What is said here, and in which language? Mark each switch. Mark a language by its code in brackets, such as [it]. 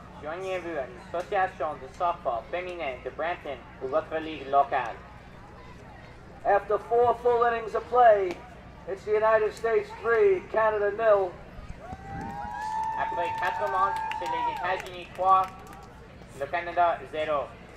[fr] Joignez-vous à l'association de softball féminin de Brampton ou votre ligue locale. [en] After four full innings of play, it's the United States 3, Canada 0. [fr] Après quatre manches, c'est les États-Unis 3, le Canada 0.